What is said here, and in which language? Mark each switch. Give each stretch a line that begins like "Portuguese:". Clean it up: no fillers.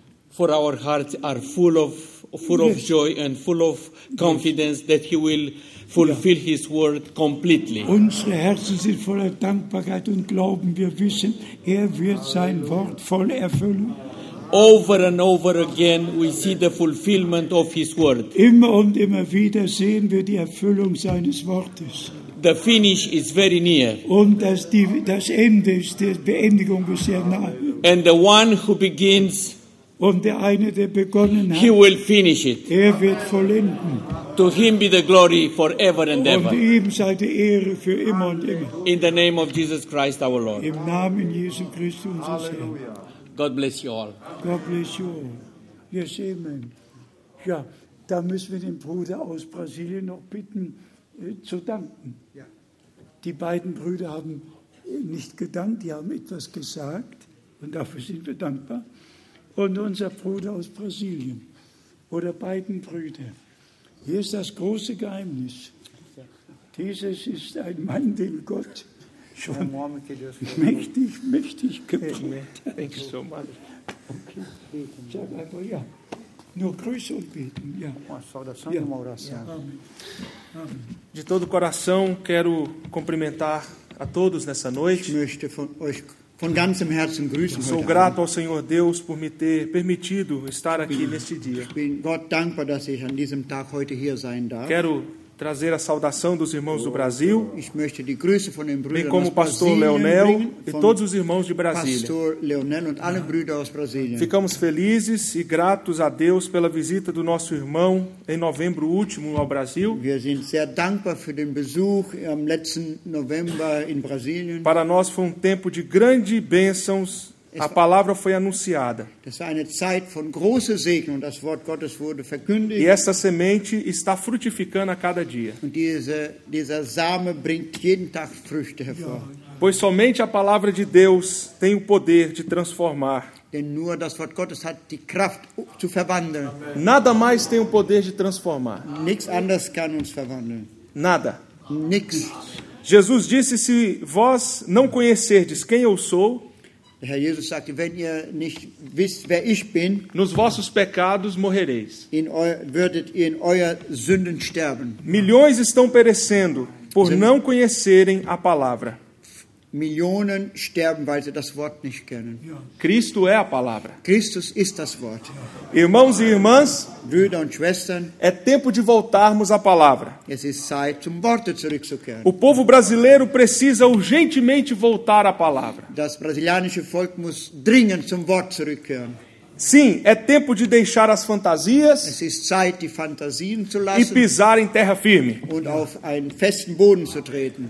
English: For our hearts are full of joy and full of confidence that He will fulfill His word completely.
German: Unsere Herzen sind voller Dankbarkeit und Glauben. Wir wissen, Er wird sein Wort voll erfüllen.
English: Over and over again, we see the fulfillment of His word.
German: Immer und immer wieder sehen wir die Erfüllung seines Wortes.
English: The finish is very near.
German: Und das Ende ist, die Beendigung ist sehr nahe.
English: And the one who begins,
German: und der eine, der begonnen hat,
English: he will finish it.
German: Er wird vollenden.
English: To him be the glory forever and
German: und
English: ever.
German: Und ihm sei die Ehre für immer und immer.
English: In the name of Jesus Christ, our Lord.
German: Im Namen Jesu Christi, unseres Herrn.
English: God bless you all. God bless you all. Yes, amen.
German: Ja, da müssen wir den Bruder aus Brasilien noch bitten, zu danken. Ja. Die beiden Brüder haben nicht gedankt, die haben etwas gesagt und dafür sind wir dankbar. Und unser Bruder aus Brasilien oder beiden Brüder. Hier ist das große Geheimnis. Dieses ist ein Mann, den Gott schon mächtig gebraucht hat.
English: Thanks so much.
German: Okay. Sag einfach, ja. Nur Grüße und beten. Ja.
Portuguese: Uma saudação e uma oração. Amém. De todo o coração quero cumprimentar a todos nessa noite.
German: Ich möchte von euch von ganzem Herzen grüßen.
Portuguese: Sou grato ao Senhor Deus por me ter permitido estar aqui neste dia.
German: Ich bin Gott dankbar, dass ich an diesem Tag heute hier sein darf.
Portuguese: Quero trazer a saudação dos irmãos do Brasil,
German: ich möchte die Grüße von den Brüdern
Portuguese: bem como o pastor Leonel e todos os irmãos de Brasília.
German: Pastor Leonel und alle Brüder aus Brasilien.
Portuguese: Ficamos felizes e gratos a Deus pela visita do nosso irmão em novembro último ao Brasil.
German: Wir sind sehr dankbar für den Besuch am letzten November in Brasilien.
Portuguese: Para nós foi um tempo de grande bênçãos. A palavra foi anunciada.
German: Das war eine Zeit von großer Segen und das Wort Gottes wurde verkündigt.
Portuguese: E essa semente está frutificando a cada dia.
German: Und diese Same bringt jeden Tag Früchte hervor.
Portuguese: Pois somente a palavra de Deus tem o poder de transformar.
German: Denn nur das Wort Gottes hat die Kraft zu verwandeln.
Portuguese: Nada mais tem o poder de transformar.
German: Nichts anderes kann uns verwandeln.
Portuguese: Nada.
German: Nichts.
Portuguese: Jesus disse: se vós não conhecerdes quem eu sou,
German: Herr Jesus sagte, wenn ihr nicht wisst, wer ich bin,
Portuguese: nos vossos pecados morrereis.
German: Würdet ihr in euer Sünden sterben.
Portuguese: Milhões estão perecendo por não conhecerem a palavra.
German: Millionen sterben, weil sie das Wort nicht kennen.
Portuguese: Cristo é a palavra.
German: Christus ist das Wort.
Portuguese: Irmãos e irmãs,
German: Brüder und Schwestern,
Portuguese: é tempo de voltarmos à palavra.
German: Es ist Zeit, zum Wort zurückzukehren.
Portuguese: O povo brasileiro precisa urgentemente voltar à palavra.
German: Das brasilianische Volk muss dringend zum Wort zurückkehren.
Portuguese: Sim, é tempo de deixar as fantasias.
German: Es ist Zeit, die Fantasien zu lassen.
Portuguese: E pisar em terra firme.
German: Und auf einen festen Boden zu treten.